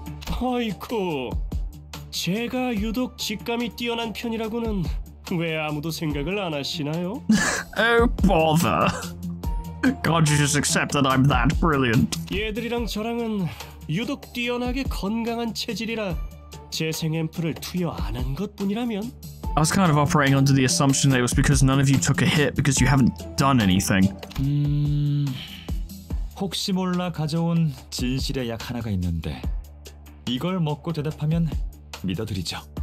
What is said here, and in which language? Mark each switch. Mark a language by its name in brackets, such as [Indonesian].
[Korean] 아이쿠, 제가 유독 직감이 뛰어난 편이라고는 왜 아무도 생각을 안 하시나요? [English] Oh bother! God, you just accept that I'm that brilliant. [Korean] 얘들이랑 저랑은 유독 뛰어나게 건강한 체질이라 재생 앰플을 투여 안 한 것뿐이라면. [English] I was kind of operating under the assumption that it was because none of you took a hit because you haven't done anything. [Korean] 혹시 몰라 가져온 진실의 약 하나가 있는데 이걸 먹고 대답하면 믿어드리죠.